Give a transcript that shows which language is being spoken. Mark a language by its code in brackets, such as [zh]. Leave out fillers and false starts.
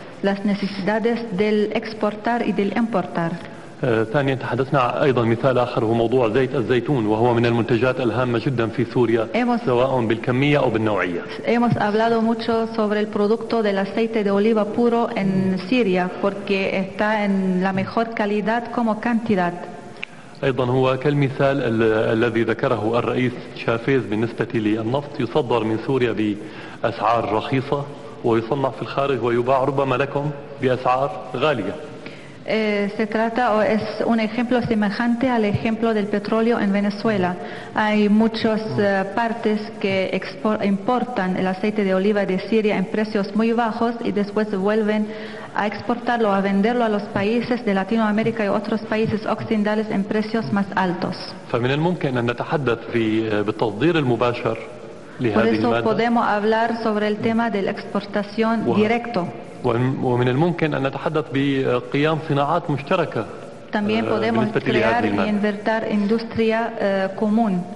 [es] Las necesidades del exportar y del importar. [ar] ثانيا تحدثنا أيضا مثال آخر هو موضوع زيت الزيتون وهو من المنتجات الهامة جدا في سوريا سواء بالكمية أو بالنوعية. [es] Hemos hablado mucho sobre el producto del aceite de oliva puro en Siria porque está en la mejor calidad como cantidad. [ar] أيضا هو كالمثال الذي ذكره الرئيس شافيز بالنسبة للنفط, يصدر من سوريا بأسعار رخيصة ويصنع في الخارج ويباع ربما لكم بأسعار غالية. [es] Se trata o es un ejemplo semejante al ejemplo del petróleo en Venezuela. Hay muchas partes que importan el aceite de oliva de Siria en precios muy bajos y después vuelven a exportarlo, a venderlo a los países de Latinoamérica y otros países occidentales en precios más altos. Por eso podemos hablar sobre el tema de la exportación directo. [ar] ومن الممكن أن نتحدث بقيام صناعات مشتركة [es] también podemos crear y invertir industria común.